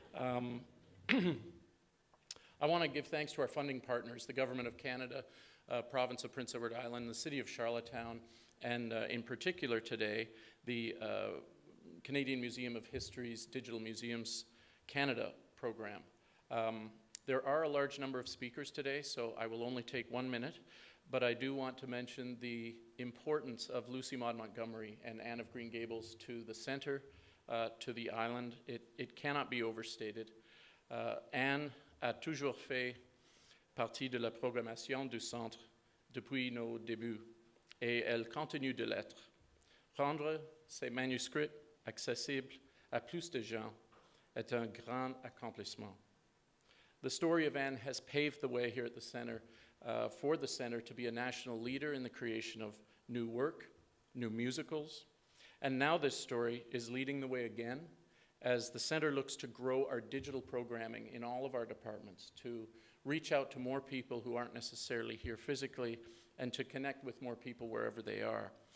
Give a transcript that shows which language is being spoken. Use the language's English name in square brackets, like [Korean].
[English] I want to give thanks to our funding partners, the Government of Canada, Province of Prince Edward Island, the City of Charlottetown, and in particular today, the Canadian Museum of History's Digital Museums Canada program. There are a large number of speakers today, so I will only take 1 minute, but I do want to mention the importance of Lucy Maud Montgomery and Anne of Green Gables to the center, to the island. It cannot be overstated. [French] Anne a toujours fait partie de la programmation du centre depuis nos débuts, et elle continue de l'être. Rendre ses manuscrits accessibles à plus de gens est un grand accomplissement. [English] The story of Anne has paved the way here at the center for the center to be a national leader in the creation of new work, new musicals. And now this story is leading the way again as the center looks to grow our digital programming in all of our departments, to reach out to more people who aren't necessarily here physically and to connect with more people wherever they are.